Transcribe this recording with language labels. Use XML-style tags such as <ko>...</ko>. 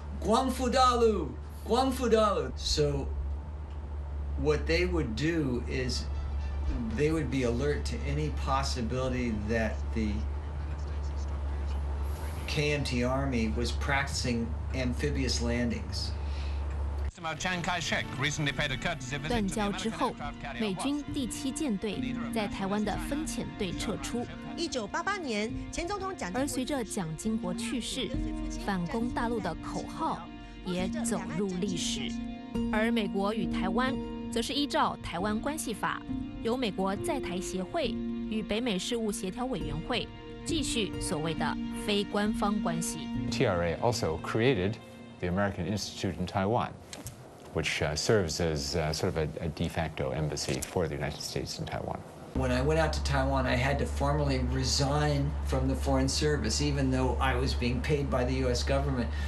<zh>Guangfudalu! Guangfudalu!</zh> <en>So what they would do is they would be alert to any possibility that the KMT Army was practicing amphibious landings.</en> <zh>断交之后，美军第七舰队在台湾的分遣队撤出。 1988年，前总统蒋，而随着蒋经国去世，反攻大陆的口号也走入历史。而美国与台湾，则是依照《台湾关系法》，由美国在台协会与北美事务协调委员会继续所谓的非官方关系。</zh> <en>TRA also created the American Institute in Taiwan. Which serves as sort of a de facto embassy for the United States in Taiwan. When I went out to Taiwan, I had to formally resign from the Foreign Service, even though I was being paid by the US government.</en>